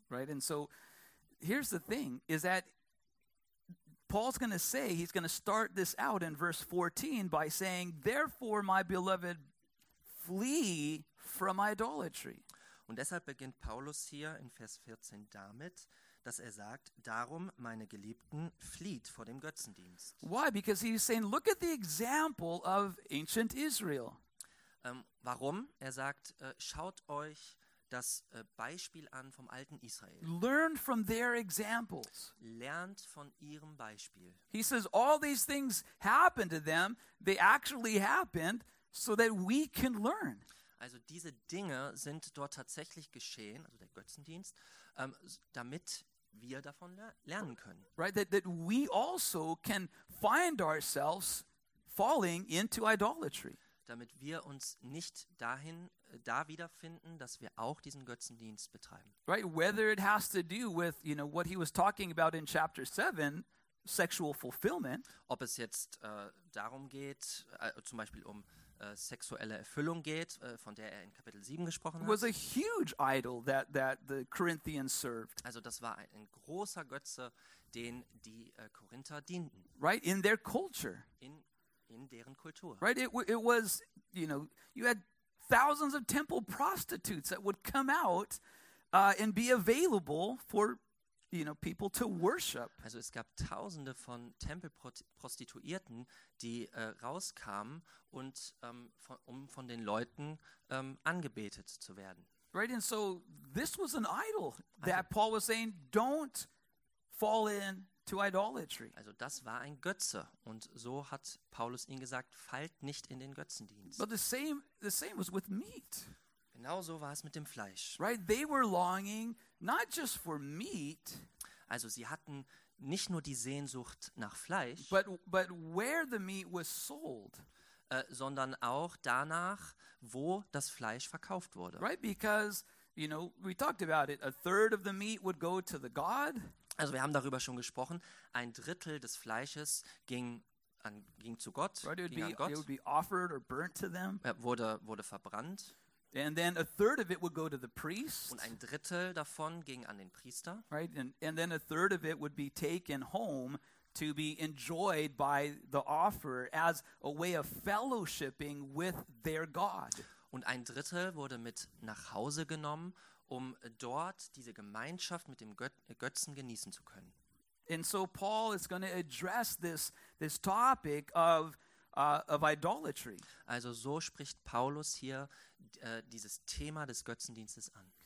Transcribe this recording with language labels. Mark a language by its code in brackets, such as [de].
[en] Right, and so here's the thing, is that Paul's going to say, he's going to start this out in verse 14 by saying, therefore, my beloved, flee from idolatry. [de] Und deshalb beginnt Paulus hier in Vers 14 damit, dass er sagt, darum, meine Geliebten, flieht vor dem Götzendienst. [en] Why? Because he's saying, look at the example of ancient Israel. [de] Warum? Er sagt, schaut euch das Beispiel an vom alten Israel. [en] Learn from their examples. [de] Lernt von ihrem Beispiel. [en] He says, all these things happened to them, they actually happened, so that we can learn. [de] Also diese Dinge sind dort tatsächlich geschehen, also der Götzendienst, damit wir davon lernen können. [en] Right, that we also can find ourselves falling into idolatry. [de] Damit wir uns nicht dahin da wiederfinden, dass wir auch diesen Götzendienst betreiben. [en] Right, whether it has to do with, you know, what he was talking about in chapter 7, sexual fulfillment. [de] Ob es jetzt darum geht, zum Beispiel um sexuelle Erfüllung geht, von der er in Kapitel 7 gesprochen hat. [en] Was a huge idol that the Corinthians served. [de] Also das war ein großer Götze, den die Korinther dienten. [en] Right, in their culture. [de] In deren Kultur. [en] Right, it was, you know, you had thousands of temple prostitutes that would come out and be available for, you know, people to worship. [de] Also es gab tausende von Tempelprostituierten, die rauskamen und von den Leuten angebetet zu werden. [en] Right, and so this was an idol that Paul was saying, don't fall in to idolatry. [de] Also das war ein Götze und so hat Paulus ihn gesagt, fallt nicht in den Götzendienst. [en] But the same was with meat. [de] Genauso war es mit dem Fleisch. [en] Right, they were longing not just for meat. [de] Also sie hatten nicht nur die Sehnsucht nach Fleisch, [en] but where the meat was sold, [de] sondern auch danach, wo das Fleisch verkauft wurde. [en] Right, because, you know, we talked about it, a third of the meat would go to the god. [de] Also wir haben darüber schon gesprochen, ein Drittel des Fleisches ging zu Gott, [en] right, [de] ging an Gott. [en] It would be offered or burnt to them. [de] Wurde verbrannt. [en] And then a third of it would go to the priest. [de] Und ein Drittel davon ging an den Priester. [en] Right, and then a third of it would be taken home to be enjoyed by the offerer as a way of fellowshipping with their God. [de] Und ein Drittel wurde mit nach Hause genommen, um dort diese Gemeinschaft mit dem Götzen genießen zu können. [en] And so Paul is going to address this topic of idolatry. [de] Also so spricht Paulus hier dieses Thema des Götzendienstes an.